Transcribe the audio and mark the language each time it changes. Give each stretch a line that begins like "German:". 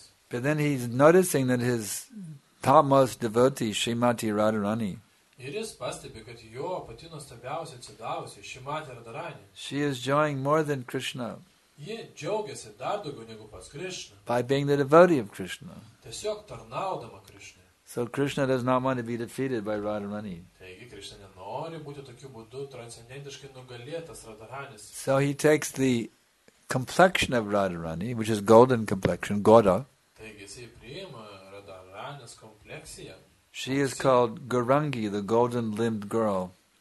English: But then he's noticing that his topmost devotee, Srimati Radharani,
Lithuanian: ir jis pastebė, kad jo pati nuostabiausia atsidavusi, Šrimati Radharani.
English: She is joying more than Krishna.
Lithuanian: Ji džiaugiasi dar daugiau negu pas Krishna.
English: By being the devotee of Krishna.
Lithuanian: Tiesiog tarnaudama Krishna.
English: So Krishna does not want to be defeated by Radharani.
Lithuanian: Taigi Krishna nenori būti tokiu būdu transcendentiškai nugalėtas Radharanis.
English: So he takes the complexion of Radharani, which is golden complexion, Gaura.
Lithuanian: Taigi jis priima Radharanis kompleksiją.
English: She is called Gaurangi, the golden-limbed girl.